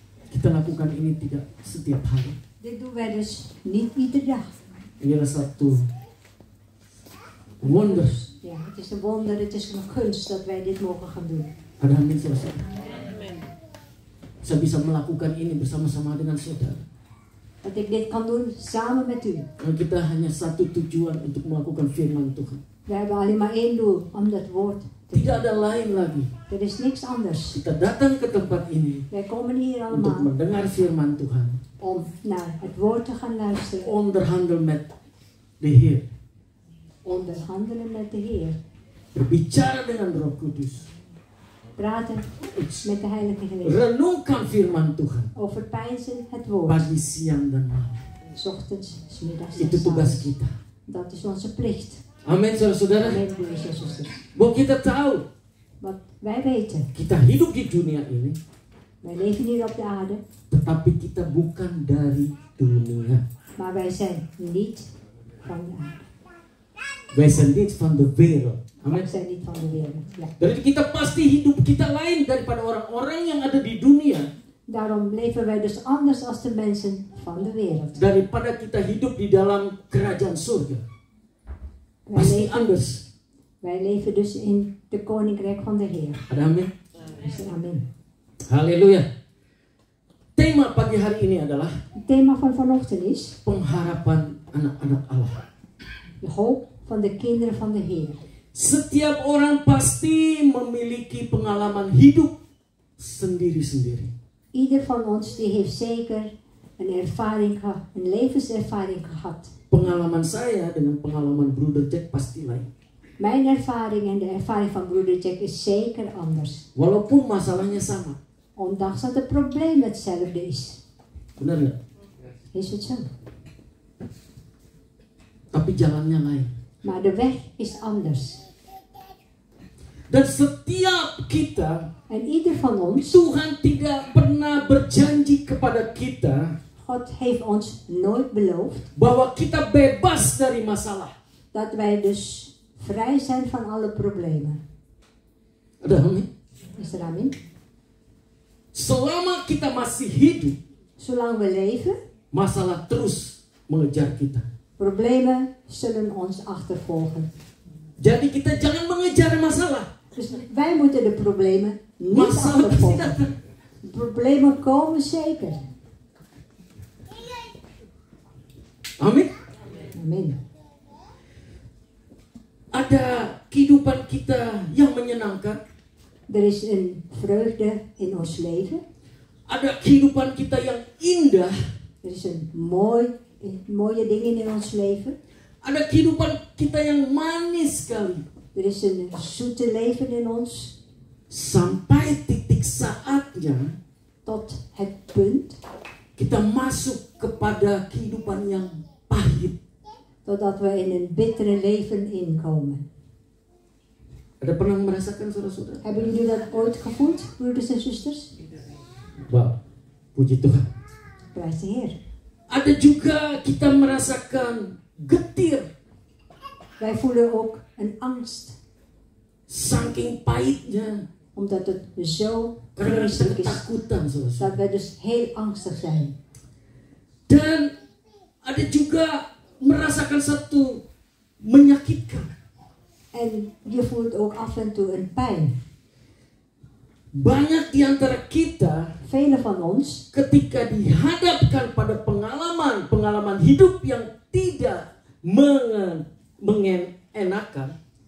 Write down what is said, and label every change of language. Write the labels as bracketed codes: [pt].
[id] Kita lakukan ini tidak setiap hari. [nl] Dit doen wij dus niet iedere dag. [id] Ini adalah satu wonder. [nl] Ja, het is een wonder, het is een kunst dat wij dit mogen gaan doen. [id] Ada amin selesai. Amen. Saya bisa melakukan ini bersama-sama dengan saudara. [nl] Dat ik dit kan doen samen met u. [id] Dan kita hanya satu tujuan untuk melakukan firman Tuhan. [nl] We hebben alleen maar één doel om dat woord. [id] Tidak ada lain lagi. [nl] Er is niks anders. [id] Kita datang ke tempat ini. [nl] Wij komen hier allemaal. [id] Untuk mendengar firman Tuhan. [nl] Om naar het woord te gaan luisteren. Onderhandelen met de Heer. Onderhandelen met de Heer. [id] Berbicara dengan Roh Kudus. [nl] Praten met de Heilige Geest. [id] Renungkan firman Tuhan. [nl] Overpeinzen het woord. [id] Pagi, siang dan malam. [nl] Ochtends, middags. [id] Itu tugas kita. [nl] Dat is onze plicht. [id] Amen, saudara-saudara. [nl] Amen, broers en zusters. [id] Bo kita tahu. [nl] Wat wij weten. [id] Kita hidup di dunia ini. [nl] Wij leven hier op de aarde. [id] Tetapi kita bukan dari dunia. [nl] Maar wij zijn niet van de aarde. Wij zijn niet van de wereld. Amen. Zijn niet van de wereld. Ja. [id] Dan kita pasti hidup kita lain daripada orang-orang yang ada di dunia. [nl] Daarom leven wij dus anders als de mensen van de wereld. [id] Daripada kita hidup di dalam kerajaan surga. [nl] Wij pasti leven, anders. Wij leven dus in de koninkrijk van de Heer. Amen. Amen. Haleluya. [id] Tema pagi hari ini adalah [nl] tema van vanochtend is [id] pengharapan anak-anak Allah. [nl] De hoop van de kinderen van de Heer. [id] Setiap orang pasti memiliki pengalaman hidup sendiri-sendiri. [nl] Ieder van ons die heeft zeker een ervaring, een levenservaring gehad. [id] Pengalaman saya dengan pengalaman Brother Jack pasti lain. [nl] Mijn ervaring en de ervaring van broeder Jack is zeker anders. [id] Walaupun masalahnya sama. [nl] Ondanks dat het probleem hetzelfde is. [id] Benar nggak? [nl] Is het zo? [id] Tapi jalannya lain. [nl] Maar de weg is anders. [id] Dan setiap kita. [nl] En ieder van ons. [id] Tuhan tidak pernah berjanji kepada kita. [nl] God heeft ons nooit beloofd. [id] Bahwa kita bebas dari masalah. [nl] Dat wij dus vrij zijn van alle problemen. [id] Ada amin? [nl] Is er amin? [id] Selama kita masih hidup. [nl] Zolang we leven. [id] Masalah terus mengejar kita. [nl] Problemen zullen ons achtervolgen. [id] Jadi kita jangan mengejar masalah. [nl] Dus wij moeten de problemen niet masalah achtervolgen. Dat... Problemen komen zeker. Amin. Amin. [id] Ada kehidupan kita yang menyenangkan. [nl] Er is een vreugde in ons leven. [id] Ada kehidupan kita yang indah. [nl] Er is een mooie dingen in ons leven. [id] Ada kehidupan kita yang manis sekali. [nl] Er is een zoete leven in ons. [id] Sampai titik saatnya. [nl] Tot het punt. [id] Kita masuk kepada kehidupan yang pahit. [nl] Totdat we in een bittere leven inkomen. [id] Ada pernah merasakan, saudara-saudara? [nl] Hebben jullie dat ooit gevoeld, broeders en zusters? [id] Wow, puji Tuhan. [nl] Prijs de Heer. [id] Ada juga kita merasakan getir. [nl] Wij voelen ook een angst. [id] Saking pahitnya. [nl] Omdat het zo vreselijk is. [id] Ketakutan, saudara-saudara. [nl] Dat wij dus heel angstig zijn. [id] Dan ada juga merasakan satu menyakitkan. [nl] En je voelt ook af en toe een pijn. [id] Banyak di antara kita, [nl] vele van ons, [id] ketika dihadapkan pada pengalaman hidup yang tidak mengenakan,